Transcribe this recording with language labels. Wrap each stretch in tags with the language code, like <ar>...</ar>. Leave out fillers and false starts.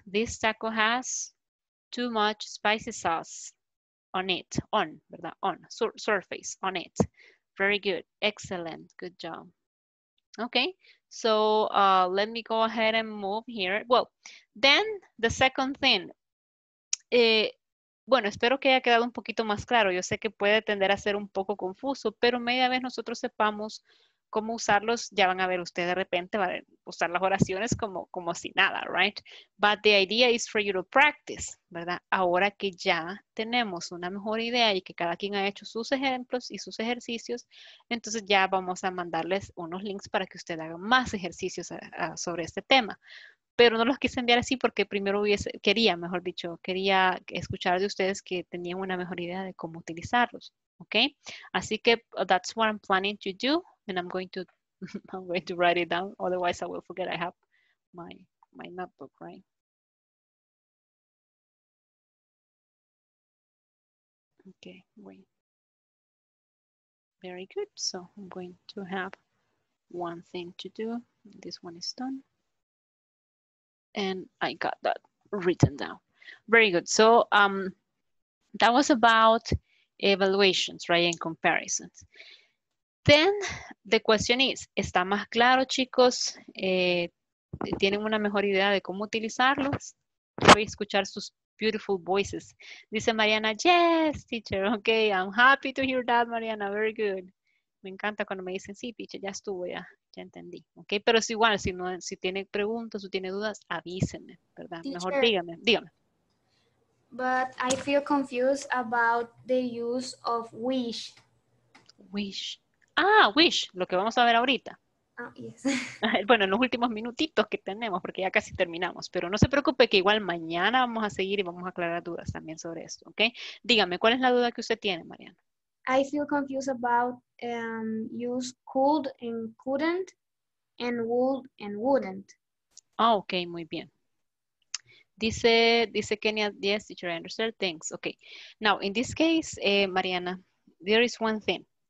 <en>This taco has too much spicy sauce on it. On, ¿verdad? On, surface, on it. Very good. Excellent. Good job. Okay, so let me go ahead and move here. Well, then the second thing.</en> <es>Bueno, espero que haya quedado un poquito más claro. Yo sé que puede tender a ser un poco confuso, pero media vez nosotros sepamos cómo usarlos, ya van a ver ustedes de repente, van a usar las oraciones como si nada, right?</es> <en>But the idea is for you to practice,</en> <es>¿verdad? Ahora que ya tenemos una mejor idea y que cada quien ha hecho sus ejemplos y sus ejercicios, entonces ya vamos a mandarles unos links para que usted haga más ejercicios sobre este tema. Pero no los quise enviar así porque primero quería escuchar de ustedes que tenían una mejor idea de cómo utilizarlos, ¿okay? Así que</es> <en>that's what I'm planning to do. And I'm going to write it down, otherwise I will forget I have my notebook, right? Okay, wait. Very good. So I'm going to have one thing to do. This one is done. And I got that written down. Very good. So that was about evaluations, right? And comparisons. Then, the question is,</en> <es>¿está más claro, chicos? ¿Tienen una mejor idea de cómo utilizarlos? Voy a escuchar sus</es> <en>beautiful voices.</en> <es>Dice Mariana,</es> <en>yes, teacher. Okay, I'm happy to hear that, Mariana. Very good.</en> <es>Me encanta cuando me dicen, sí, teacher, ya estuvo, ya entendí. Okay, pero es igual, si tiene preguntas o tiene dudas, avísenme, ¿verdad? Teacher, mejor dígame.</es> <en>But I feel confused about the use of wish.</en> <es>Wish. Ah, wish, lo que vamos a ver ahorita.</es> <en>Oh, yes.</en> <es>Bueno, en los últimos minutitos que tenemos, porque ya casi terminamos. Pero no se preocupe que igual mañana vamos a seguir y vamos a aclarar dudas también sobre esto, ¿ok? Dígame, ¿cuál es la duda que usted tiene, Mariana?</es> <en>I feel confused about use could and couldn't and would and wouldn't. Ah, oh, ok,</en> <es>muy bien. Dice</es> <en>Kenya, yes, teacher, I understand. Thanks. Okay. Now, in this case, Mariana, there is one thing.</en>